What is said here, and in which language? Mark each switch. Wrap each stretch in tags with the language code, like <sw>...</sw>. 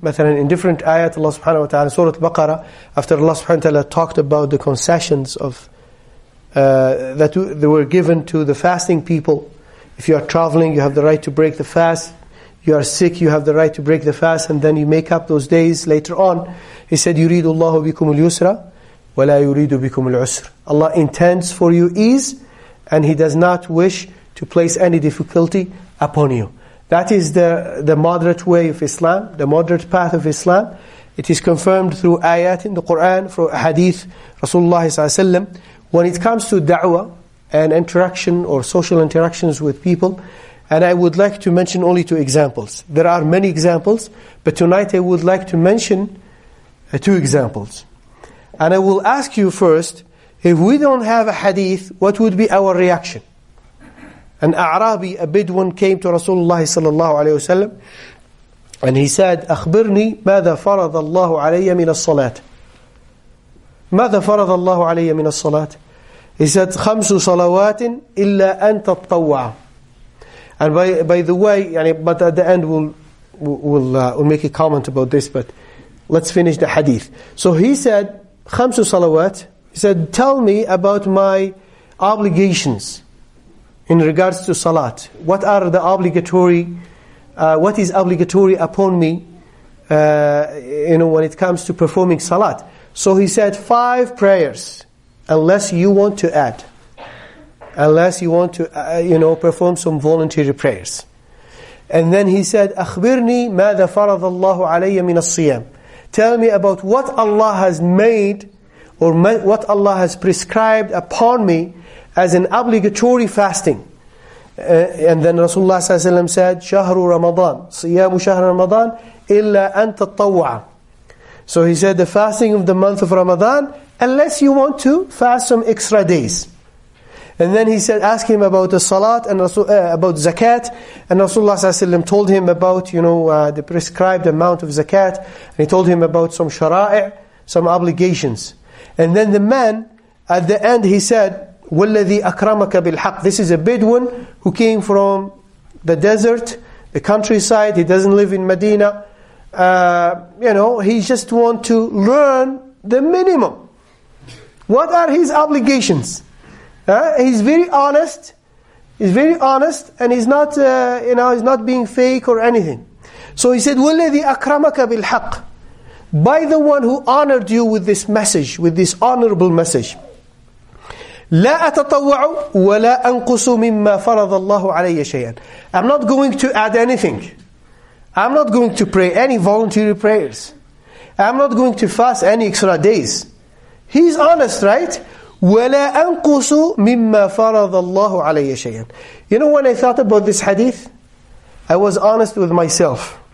<ar>مثلا,</ar> <en>in different ayat, Allah subhanahu wa ta'ala, Surah Al-Baqarah, after Allah subhanahu wa ta'ala talked about the concessions of that were given to the fasting people. If you are traveling, you have the right to break the fast. You are sick, you have the right to break the fast, and then you make up those days later on. He said,</en> <ar>يُرِيدُ اللَّهُ بِكُمُ الْيُسْرَ وَلَا يُرِيدُ بِكُمُ الْعُسْرَ.</ar> <en>Allah intends for you ease, and He does not wish to place any difficulty upon you. That is the moderate way of Islam, the moderate path of Islam. It is confirmed through ayat in the Quran, through hadith Rasulullah ﷺ. When it comes to da'wah and interaction or social interactions with people, and I would like to mention only two examples. There are many examples, but tonight I would like to mention two examples. And I will ask you first, if we don't have a hadith, what would be our reaction? An A'rabi, a Bedouin, came to Rasulullah sallallahu alayhi wasallam, and he said,</en> <ar>أخبرني ماذا فرض الله علي من الصلاة. ماذا فرض الله علي من الصلاة.</ar> <en>He said,</en> <ar>خمس صلوات إلا أن تطوع.</ar> <en>And by the way,</en> <ar>يعني,</ar> <en>but at the end we'll make a comment about this, but let's finish the hadith. So he said,</en> <ar>خمس صلوات.</ar> <en>He said, tell me about my obligations in regards to salat. What are the obligatory, what is obligatory upon me, when it comes to performing salat? So he said, five prayers, unless you want to add. Unless you want to, perform some voluntary prayers. And then he said,</en> <ar>أخبرني ماذا فرض الله علي من الصيام.</ar> <en>Tell me about what Allah has made or what Allah has prescribed upon me as an obligatory fasting. And then Rasulullah</en> <ar>صلى الله عليه وسلم</ar> <en>said,</en> <ar>شهر رمضان, صيام شهر رمضان, إلا أن تطوع.</ar> <en>So he said, the fasting of the month of Ramadan, unless you want to fast some extra days. And then he said, ask him about the salat and about zakat. And Rasulullah</en> <ar>صلى الله عليه وسلم</ar> <en>told him about, the prescribed amount of zakat. And he told him about some shara'i', some obligations. And then the man, at the end, he said,</en> <ar>وَالَّذِي أَكْرَمَكَ بِالْحَقِّ.</ar> <en>This is a Bedouin who came from the desert, the countryside. He doesn't live in Medina. He just want to learn the minimum. What are his obligations? He's very honest. He's very honest, and he's not, he's not being fake or anything. So he said,</en> <ar>"Wallahi akramaka bil haq,"</ar> <en>by the one who honored you with this message, with this honorable message.</en> <ar>لا أتطوع ولا أنقص مما فرض الله علي شيئا.</ar> <en>I'm not going to add anything. I'm not going to pray any voluntary prayers. I'm not going to fast any extra days. He's honest, right?</en> <ar>وَلَا أَنْقُصُ مِمَّا فَرَضَ اللَّهُ عَلَيَّ شَيْئًا.</ar> <en>You know, when I thought about this hadith, I was honest with myself.</en>